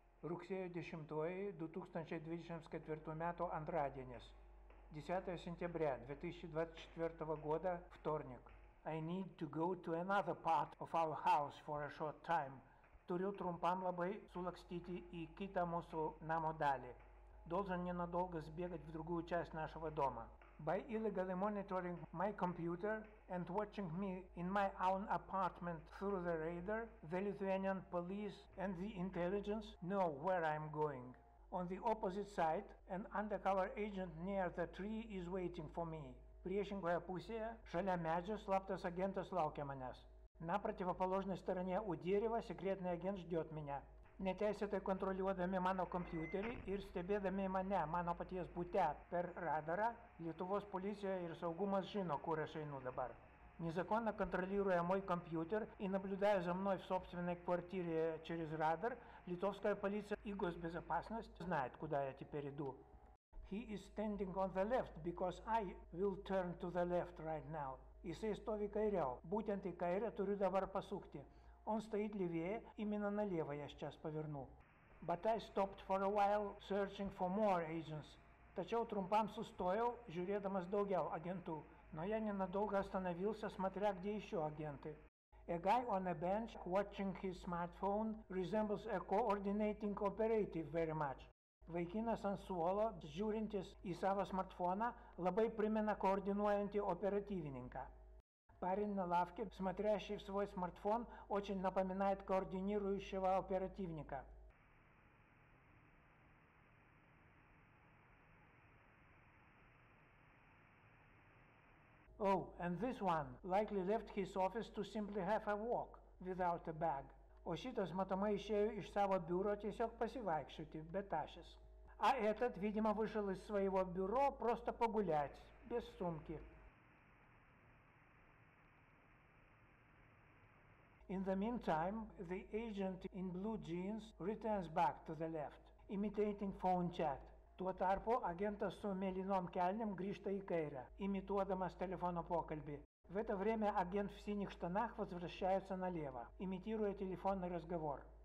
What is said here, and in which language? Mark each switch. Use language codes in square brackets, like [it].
[lt] Rugsėjo 10, 2024 metų antradienis. [ru] 10 сентября 2024 года, вторник. [en] I need to go to another part of our house for a short time. [lt] Turiu trumpam labai sulakstyti į kitą mūsų namo dalį. [ru] Должен ненадолго сбегать в другую часть нашего дома. [en] By illegally monitoring my computer and watching me in my own apartment through the radar, the Lithuanian police and the intelligence know where I'm going. On the opposite side, an undercover agent near the tree is waiting for me. [lt] Priešingoje pusėje, šalia medžio, slaptas agentas laukia manęs. [ru] На противоположной стороне у дерева секретный агент ждет меня. [lt] Neteisėtai kontroliuodami mano kompiuterį ir stebėdami mane, mano paties bute, per radarą, Lietuvos policija ir saugumas žino, kur aš einu dabar. [ru] Незаконно контролируя мой компьютер и наблюдая за мной в собственной квартире через радар, литовская полиция и госбезопасность знает, куда я теперь иду. [en] He is standing on the left because I will turn to the left right now. [lt] Jisai stovi kairiau. Būtent į kairę turiu dabar pasukti. [ru] Он стоит левее, именно налево я сейчас поверну. [en] But I stopped for a while searching for more agents. [lt] Tačiau trumpam sustojau, žiūrėdamas daugiau agentų. [ru] Но я ненадолго остановился, смотря где еще агенты. [en] A guy on a bench watching his smartphone resembles a coordinating operative very much. [lt] Vaikinas ant suolo, žiūrintis į savo smartfoną, labai primena koordinuojantį operatyvininką. [ru] Парень на лавке, смотрящий в свой смартфон, очень напоминает координирующего оперативника. [en] Oh, and this one likely left his office to simply have a walk without a bag. [lt] О, šitas matomai išėjo iš savo biuro tiesiog pasivaikščioti, be tašės. [ru] А этот, видимо, вышел из своего бюро просто погулять, без сумки. [en] In the meantime, the agent in blue jeans returns back to the left, imitating phone chat. [lt] Tuo tarpu agentas su mėlynom kelnėm grįžta į kairę, imituodamas telefono pokalbį. [ru] В это время агент в синих штанах возвращается налево, имитируя телефонный разговор.